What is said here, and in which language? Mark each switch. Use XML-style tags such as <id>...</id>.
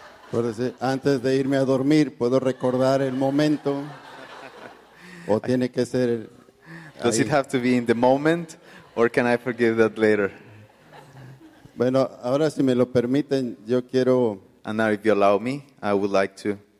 <es>Puedo decir, antes de irme a dormir, ¿puedo recordar el momento? ¿O tiene que ser ahí?</es> <en>Does it have to be in the moment, or can I forgive that later?</en> <es>Bueno, ahora si me lo permiten, yo quiero...</es> <en>And now if you allow me, I would like to...</en>